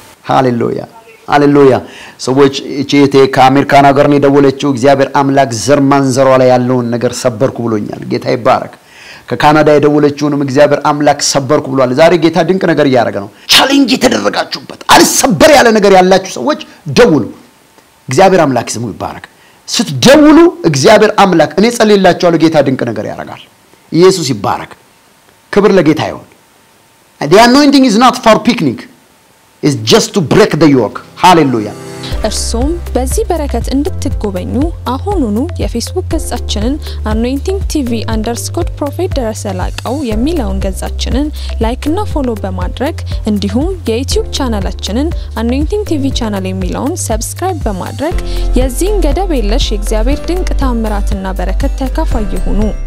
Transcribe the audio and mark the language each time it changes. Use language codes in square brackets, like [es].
[am] ሃሌሉያ ሃሌሉያ። ሰዎች እቺቴ ካሜርካና ጋር ነው ደወለችው። እግዚአብሔር አምላክ ዘር ማንዘሯ ላይ ያለውን ነገር ሰበርኩ ብሎኛል። ጌታ ይባረክ። ከካናዳ የደወለችውንም እግዚአብሔር አምላክ ሰበርኩ ብሏል። ዛሬ ጌታ ድንቅ ነገር ያረጋ ነው። ቻሌንጅ የተደረጋችሁበት አልሰበር ያለ ነገር ያላችሁ ሰዎች ደውሉ። እግዚአብሔር አምላክ ስሙ ይባረክ። ስትደውሉ እግዚአብሔር አምላክ እኔ ጸልይላችኋለሁ ጌታ ድንቅ ነገር ያረጋል። ኢየሱስ ይባረክ። ክብር ለጌታ ይሁን። [en] And the anointing is not for picnic. It's just to break the yoke. Hallelujah. [am] እርሱም በዚህ በረከት እንድትጎበኙ አሁኑኑ የፌስቡክ ገጻችንን anointing tv underscore prophet ደረሰ ላቀው የሚለውን ገጻችንን ላይክ እና ፎሎ በማድረግ እንዲሁም የዩቲዩብ ቻናላችንን anointing tv channel የሚለውን subscribe በማድረግ የዚህን ገደብ የለሽ የእግዚአብሔር ድንቅ ታምራትና በረከት ተካፋይ ይሁኑ።